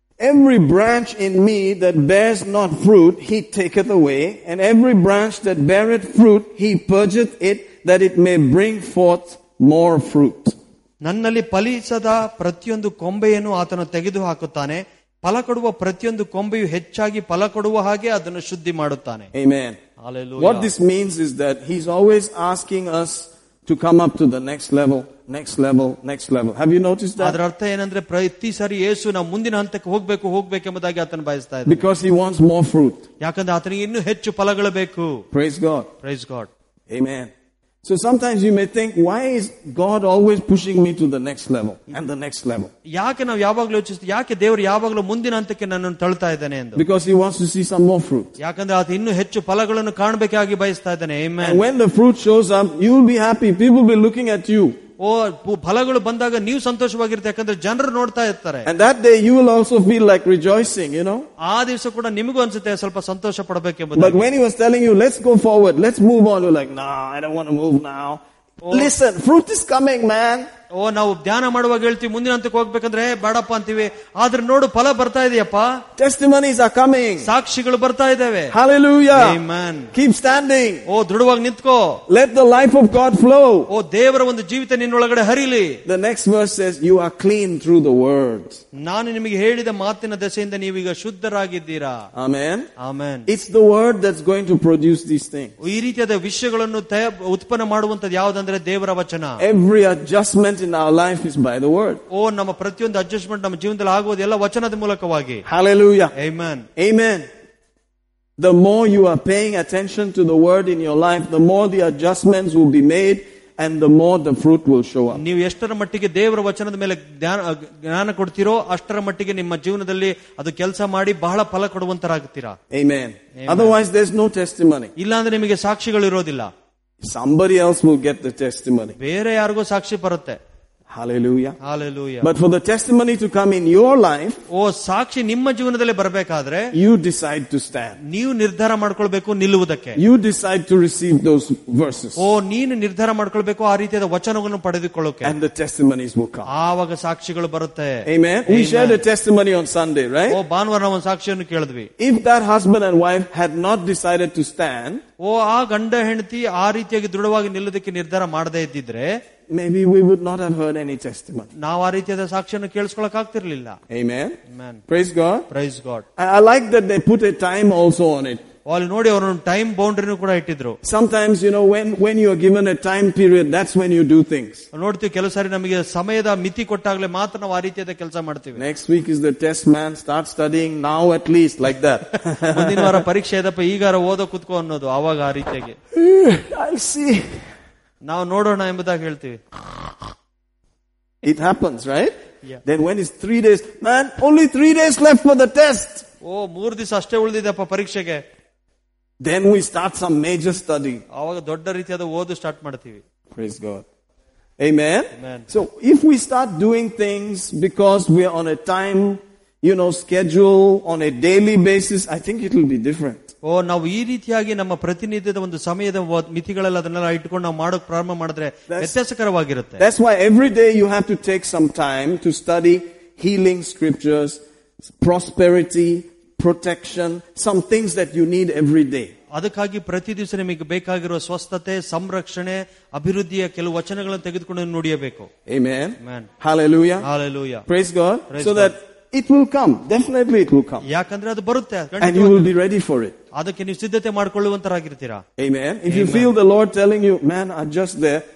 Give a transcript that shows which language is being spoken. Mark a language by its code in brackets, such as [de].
[en] Every branch in me that bears not fruit, he taketh away, and every branch that beareth fruit, he purgeth it, that it may bring forth more fruit. [kn] ನನ್ನಲ್ಲಿ ಫಲಿಸದ ಪ್ರತಿಯೊಂದು ಕೊಂಬೆಯನ್ನು ಆತನು ತೆಗೆದು ಹಾಕುತ್ತಾನೆ, ಫಲ ಕೊಡುವ ಪ್ರತಿಯೊಂದು ಕೊಂಬೆಯು ಹೆಚ್ಚಾಗಿ ಫಲ ಕೊಡುವ ಹಾಗೆ ಅದನ್ನು ಶುದ್ಧಿ ಮಾಡುತ್ತಾನೆ. [en] Amen. Hallelujah. What this means is that he's always asking us to come up to the next level, next level, next level. Have you noticed that? [kn] ಅದರ ಅರ್ಥ ಏನಂದ್ರೆ ಪ್ರತಿ ಸಾರಿ ಯೇಸು ನಮ್ಮ ಮುಂದಿನ ಹಂತಕ್ಕೆ ಹೋಗಬೇಕು ಹೋಗಬೇಕು ಎಂಬುದಾಗಿ ಆತನು ಬಯಸ್ತಾ ಇದ್ದಾನೆ. [en] Because he wants more fruit. [kn] ಯಾಕಂದ್ರೆ ಆತನಿಗೆ ಇನ್ನೂ ಹೆಚ್ಚು ಫಲಗಳು ಬೇಕು. [en] Praise God. Praise God. Amen. So sometimes you may think, why is God always pushing me to the next level and the next level? [kn] ಯಾಕೆ ನಾವು ಯಾವಾಗಲೂ ಯೋಚಿಸ್ತೀವಿ ಯಾಕೆ ದೇವರು ಯಾವಾಗಲೂ ಮುಂದಿನ ಹಂತಕ್ಕೆ ನನ್ನನ್ನು ತಳ್ತಾ ಇದ್ದಾನೆ ಎಂದು. [en] Because he wants to see some more fruit. [kn] ಯಾಕಂದ್ರೆ ಆತ ಇನ್ನೂ ಹೆಚ್ಚು ಫಲಗಳನ್ನು ಕಾಣಬೇಕಾಗಿ ಬಯಸ್ತಾ ಇದ್ದಾನೆ. [en] Amen. When the fruit shows up, you will be happy. People will be looking at you. [kn] ಫಲಗಳು ಬಂದಾಗ ನೀವು ಸಂತೋಷವಾಗಿರುತ್ತೆ ಯಾಕಂದ್ರೆ ಜನರು ನೋಡ್ತಾ ಇರ್ತಾರೆ. [en] And that day you will also feel like rejoicing, you know. [kn] ಆ ದಿವಸ ಕೂಡ ನಿಮಗೂ ಅನ್ಸುತ್ತೆ ಸ್ವಲ್ಪ ಸಂತೋಷ ಪಡಬೇಕೆಂಬ. [en] But when he was telling you, let's go forward, let's move on, you're like, nah, I don't want to move now. Listen, fruit is coming, man. [kn] ನಾವು ಧ್ಯಾನ ಮಾಡುವಾಗ ಹೇಳ್ತೀವಿ ಮುಂದಿನ ಹಂತಕ್ಕೆ ಹೋಗ್ಬೇಕಂದ್ರೆ ಬೇಡಪ್ಪ ಅಂತೀವಿ, ಆದ್ರೆ ನೋಡು ಫಲ ಬರ್ತಾ ಇದೆಯಪ್ಪ. [en] Testimonies are coming. [kn] ಸಾಕ್ಷಿಗಳು ಬರ್ತಾ ಇದ್ದಾವೆ. [en] Hallelujah. Amen. Keep standing. [kn] ದೃಢವಾಗಿ ನಿಂತ್ಕೋ. [en] Let the life of God flow. [kn] ದೇವರ ಒಂದು ಜೀವಿತ ನಿನ್ನೊಳಗಡೆ ಹರಿಲಿ. [en] The next verse says, you are clean through the word. [kn] ನಾನು ನಿಮಗೆ ಹೇಳಿದ ಮಾತಿನ ದೆಸೆಯಿಂದ ನೀವೀಗ ಶುದ್ಧರಾಗಿದ್ದೀರಾ. [en] Amen. Amen. It's the word that's going to produce these things. [kn] ಈ ರೀತಿಯಾದ ವಿಷಯಗಳನ್ನು ಉತ್ಪನ್ನ ಮಾಡುವಂತದ್ದು ಯಾವ್ದಂದ್ರೆ ದೇವರ ವಚನ. [en] Every adjustment in our life is by the word. [kn] ನಮ್ಮ ಪ್ರತಿಯೊಂದು ಅಡ್ಜಸ್ಟ್ಮೆಂಟ್ ನಮ್ಮ ಜೀವನದಲ್ಲಿ ಆಗುವುದು ಎಲ್ಲ ವಚನದ ಮೂಲಕವಾಗಿ. [en] Hallelujah. Amen. Amen. The more you are paying attention to the word in your life, the more the adjustments will be made and the more the fruit will show up. [kn] ನೀವು ಎಷ್ಟರ ಮಟ್ಟಿಗೆ ದೇವರ ವಚನದ ಮೇಲೆ ಜ್ಞಾನ ಕೊಡ್ತೀರೋ ಅಷ್ಟರ ಮಟ್ಟಿಗೆ ನಿಮ್ಮ ಜೀವನದಲ್ಲಿ ಅದು ಕೆಲಸ ಮಾಡಿ ಬಹಳ ಫಲ ಕೊಡುವಂತರಾಗುತ್ತೀರಾ. [en] Amen. Otherwise there's no testimony. [kn] ಇಲ್ಲಾಂದ್ರೆ ನಿಮಗೆ ಸಾಕ್ಷಿಗಳು ಇರೋದಿಲ್ಲ. [en] Somebody else will get the testimony. [kn] ಬೇರೆ ಯಾರಿಗೋ ಸಾಕ್ಷಿ ಬರುತ್ತೆ. [en] Hallelujah. Hallelujah. But for the testimony to come in your life, [kn] ಸಾಕ್ಷಿ ನಿಮ್ಮ ಜೀವನದಲ್ಲಿ ಬರಬೇಕಾದ್ರೆ [en] You decide to stand. [kn] ನೀವು ನಿರ್ಧಾರ ಮಾಡ್ಕೊಳ್ಬೇಕು ನಿಲ್ಲುವುದಕ್ಕೆ. [en] You decide to receive those verses. [kn] ನೀನು ನಿರ್ಧಾರ ಮಾಡ್ಕೊಳ್ಬೇಕು ಆ ರೀತಿಯಾದ ವಚನವನ್ನು ಪಡೆದುಕೊಳ್ಳೋಕೆ. [en] And the testimonies will come. [kn] ಆವಾಗ ಸಾಕ್ಷಿಗಳು ಬರುತ್ತೆ. [en] Amen. We shared a testimony on Sunday, right? [kn] ಭಾನುವಾರ ನಾವು ಸಾಕ್ಷಿಯನ್ನು ಕೇಳಿದ್ವಿ. [en] If that husband and wife had not decided to stand, [kn] ಆ ಗಂಡ ಹೆಂಡತಿ ಆ ರೀತಿಯಾಗಿ ದೃಢವಾಗಿ ನಿಲ್ಲುವುದಕ್ಕೆ ನಿರ್ಧಾರ ಮಾಡದೇ ಇದ್ದಿದ್ರೆ, [en] maybe we would not have heard any testimony. [kn] ನಾವು ಆ ರೀತಿಯಾದ ಸಾಕ್ಷಿಯನ್ನು ಕೇಳಿಸ್ಕೊಳಕ್ ಆಗ್ತಿರ್ಲಿಲ್ಲ. [en] Amen. Amen. Praise God. Praise God. I like that they put a time also on it. [kn] ಅಲ್ಲಿ ನೋಡಿ ಅವರ ಟೈಮ್ ಬೌಂಡರಿನೂ ಕೂಡ ಇಟ್ಟಿದ್ರು. [en] Sometimes you know when you are given a time period, that's when you do things. [kn] ನೋಡ್ತೀವಿ ಕೆಲವು ಸಾರಿ ನಮಗೆ ಸಮಯದ ಮಿತಿ ಕೊಟ್ಟಾಗಲೇ ಮಾತ್ರ ನಾವು ಆ ರೀತಿಯಾದ ಕೆಲಸ ಮಾಡ್ತೀವಿ. [en] Next week is the test, man. Start studying now at least like that. [kn] ಮುಂದಿನ ವಾರ ಪರೀಕ್ಷೆ ಇದಪ್ಪ ಈಗಾರ ಓದೋ ಕುತ್ಕೋ ಅನ್ನೋದು ಅವಾಗ ಆ ರೀತಿಯಾಗಿ. [en] I'll see. [kn] ನಾವು ನೋಡೋಣ ಎಂಬುದಾಗಿ ಹೇಳ್ತೀವಿ. [en] It happens, right? Yeah. Then when is 3 days? Man, only 3 days left for the test. [kn] ಮೂರು ದಿವಸ ಅಷ್ಟೇ ಉಳಿದಿದೆಪ್ಪ ಪರೀಕ್ಷೆಗೆ. [en] Then we start some major study. [kn] ಅವಾಗ ದೊಡ್ಡ ರೀತಿಯಾದ ಓದು ಸ್ಟಾರ್ಟ್ ಮಾಡ್ತೀವಿ. [en] Praise God. Amen. Amen. So if we start doing things because we are on a time, you know, schedule on a daily basis, I think it will be different. [kn] ನಾವು ಈ ರೀತಿಯಾಗಿ ನಮ್ಮ ಪ್ರತಿನಿಧ್ಯದ ಒಂದು ಸಮಯದ ಮಿತಿಗಳಲ್ಲಿ ಅದನ್ನೆಲ್ಲ ಇಟ್ಕೊಂಡು ನಾವು ಮಾಡೋಕೆ ಪ್ರಾರಂಭ ಮಾಡಿದ್ರೆ ವ್ಯತ್ಯಾಸಕರವಾಗಿರುತ್ತೆ. [en] That's why every day you have to take some time to study healing scriptures, prosperity, protection, some things that you need every day. [kn] ಅದಕ್ಕಾಗಿ ಪ್ರತಿ ದಿವಸ ನಿಮಗೆ ಬೇಕಾಗಿರುವ ಸ್ವಸ್ಥತೆ, ಸಂರಕ್ಷಣೆ, ಅಭಿವೃದ್ಧಿಯ ಕೆಲವು ವಚನಗಳನ್ನು ತೆಗೆದುಕೊಂಡು ನುಡಿಯಬೇಕು. [en] Amen. Amen. Hallelujah. Hallelujah. Praise God. So that it will come. Definitely it will come. [kn] ಯಾಕಂದ್ರೆ ಅದು ಬರುತ್ತೆ. [en] And you will be ready for it. [kn] ಅದಕ್ಕೆ ನೀವು ಸಿದ್ಧತೆ ಮಾಡಿಕೊಳ್ಳುವಂತರಾಗಿರ್ತೀರಾ. [en] Amen. If you feel the Lord telling you, man, adjust there.